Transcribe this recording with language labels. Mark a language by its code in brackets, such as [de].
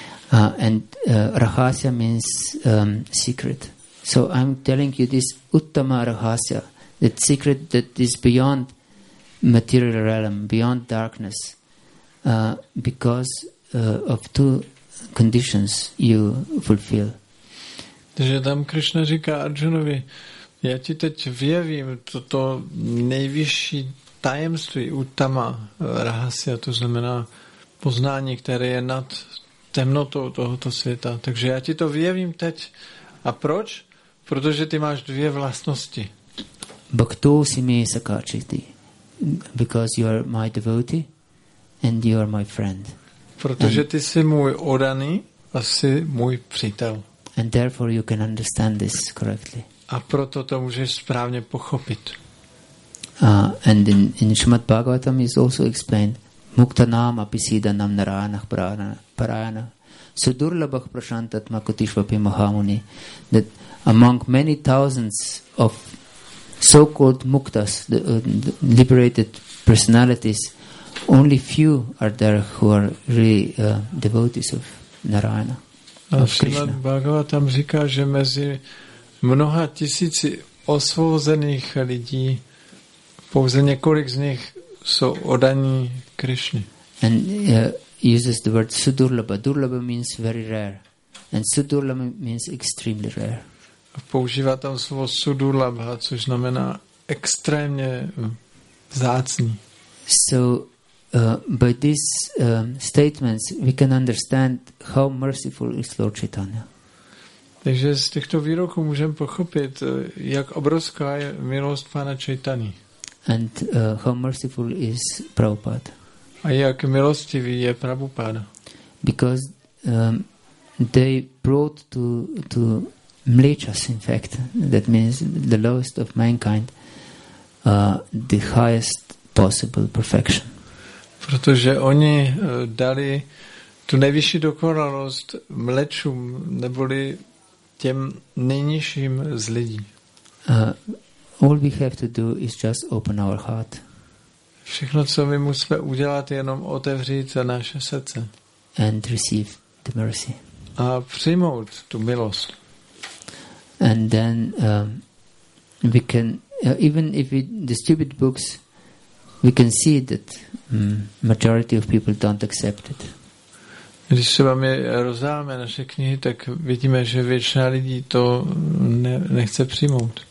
[en] And rahasya means secret. So I'm telling you this uttama rahasya, that secret that is beyond material realm, beyond darkness, because of two conditions you fulfill. [cs] Takže tam Krishna říká Arjunovi, já ti teď vyjevím toto nejvyšší tajemství uttama rahasya, to znamená poznání, které je nad temnotou tohoto světa. Takže já ti to vyjevím teď. A proč? Protože ty máš dvě vlastnosti. [sa] Bhaktosime sakarchiti. [en] Because you are my devotee and you are my friend. [cs] Protože ty jsi můj oddaný a jsi můj přítel. [en] And therefore you can understand this correctly. [cs] A proto to můžeš správně pochopit. [en] And in Srimad Bhagavatam is also explained [sa] Mukta nam apisidanam narayanah parayanah sudurlabah prashantatma kutishvapi mahamuni, [en] that among many thousands of so-called muktas, the liberated personalities, only few are there who are really devotees of Narayana. [cs] A Srimad Bhagavatam říká, že mezi mnoha tisíci osvobozených lidí pouze několik z nich jsou oddaní Krišně. [en] And uses the word sudurlaba. Durlaba means very rare. And sudurlaba means extremely rare. [cs] A používá tam slovo sudurlaba, což znamená extrémně vzácný. [en] So by these statements we can understand how merciful is Lord Chaitanya. [cs] Takže z těchto výroků můžeme pochopit, jak obrovská je milost Pána Chaitany. [en] And how merciful is Prabhupada. [cs] A jak milostivý je Prabhupada. [en] Because they brought to mlechas, in fact, that means the lowest of mankind, the highest possible perfection. [cs] Protože oni dali tu nejvyšší dokonalost mlečům, neboli těm nejnižším z lidí. [en] All we have to do is just open our heart. [cs] Všechno, co my musíme udělat, je jenom otevřít naše srdce. [en] And receive the mercy. [cs] A přijmout tu milost. [en] And then we can, even if we distribute books, we can see that majority of people don't accept it. [cs] Když se vám rozdáme naše knihy, tak vidíme, že většina lidí to nechce přijmout.